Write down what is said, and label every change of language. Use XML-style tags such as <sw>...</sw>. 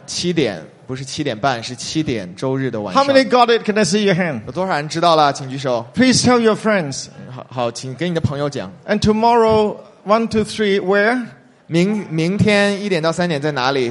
<zh>七点不是七点半，是七点。周日的晚上。</zh> <en>How many got it? Can I see your hand?</en> <zh>有多少人知道了？请举手。</zh> <en>Please tell your friends.</en> <zh>好，请跟你的朋友讲。</zh> <en>And tomorrow. 1, 2, 3. Where?</en> <zh>明天一点到三点在哪里</zh>